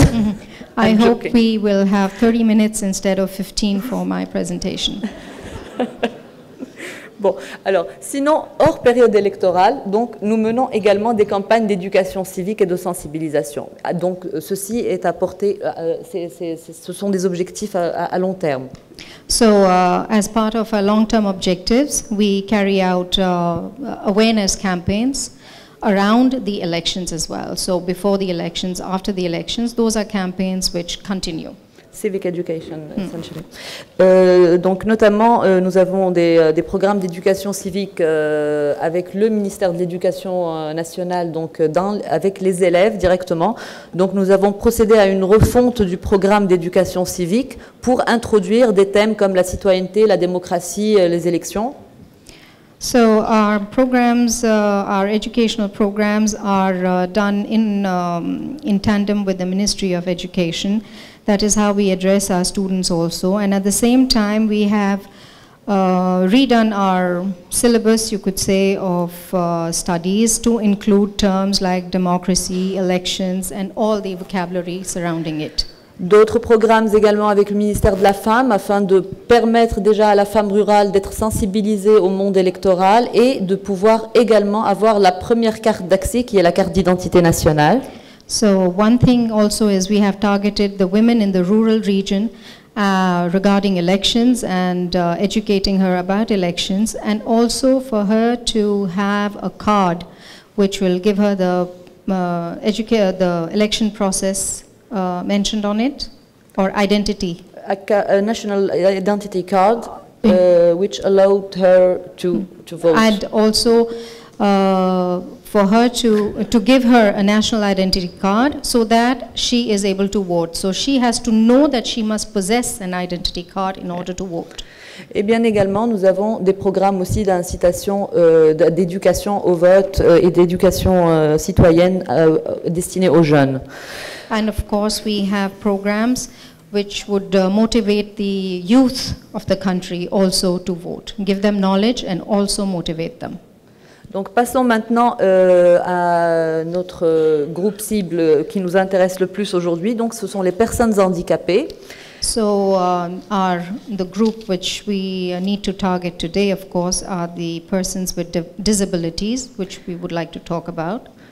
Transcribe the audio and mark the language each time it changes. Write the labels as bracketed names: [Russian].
[English] Mm-hmm. I hope we will have 30 minutes instead of 15 for my presentation. [French] Bon, alors, sinon, hors période électorale, donc, nous menons également des campagnes d'éducation civique et de sensibilisation. Donc, ceci est apporté, ce sont des objectifs à long terme. [English] So, as part of our long-term objectives, we carry out awareness campaigns around the elections as well. So, before the elections, after the elections, those are campaigns which continue. Civic education, essentially. Mm. [French] Donc, notamment, nous avons des programmes d'éducation civique avec le ministère de l'Éducation nationale, donc avec les élèves directement. Donc, nous avons procédé à une refonte du programme d'éducation civique pour introduire des thèmes comme la citoyenneté, la démocratie, les élections. [English] So our programs, our educational programs, are done in tandem with the Ministry of Education. That is how we address our students also. And at the same time, we have redone our syllabus, you could say, of studies to include terms like democracy, elections, and all the vocabulary surrounding it. [French] D'autres programmes également avec le ministère de la Femme afin de permettre déjà à la femme rurale d'être sensibilisée au monde électoral et de pouvoir également avoir la première carte d'accès qui est la carte d'identité nationale. [English] So one thing also is we have targeted the women in the rural region regarding elections and educating her about elections and also for her to have a card which will give her the the election process mentioned on it or identity. A national identity card which allowed her to vote. And also for her to give her a national identity card so that she is able to vote. So she has to know that she must possess an identity card in order to vote. [French] Et bien également, nous avons des programmes aussi d'incitation, d'éducation au vote et d'éducation citoyenne destinée aux jeunes. [English] And of course, we have programs which would motivate the youth of the country also to vote, give them knowledge and also motivate them. [French] Donc passons maintenant à notre groupe cible qui nous intéresse le plus aujourd'hui. Donc ce sont les personnes handicapées. [English] So the group which we need to target today, of course, are the persons with disabilities, which we would like to talk about.